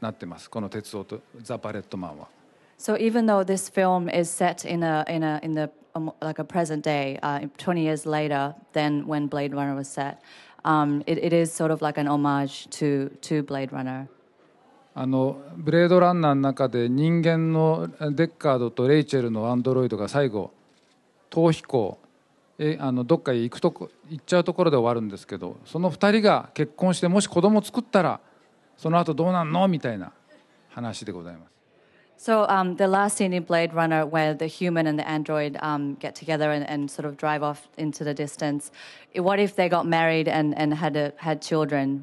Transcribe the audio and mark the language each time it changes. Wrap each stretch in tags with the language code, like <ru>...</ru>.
<ja>この映画はそれからさらに20年経った今作ってるんですけども、僕としてはそのブレードランナー、サイバーパンクの金字塔のブレードランナーへかなりオマージュを捧げてる映画になってます。この鉄道とザ・バレットマンは。</ja> <en>So even though this film is set in a present day, 20 years later than when Blade Runner was set, it is sort of like an homage to Blade Runner.</en> <ja>Blade Runner の中で人間のデッカードとレイチェルのアンドロイドが最後逃避行、どっか行っちゃうところで終わるんですけど、その二人が結婚してもし子供作ったら、その後どうなんのみたいな話でございます。</ja> <en>So the last scene in Blade Runner, where the human and the android get together and sort of drive off into the distance, what if they got married and had children?</en>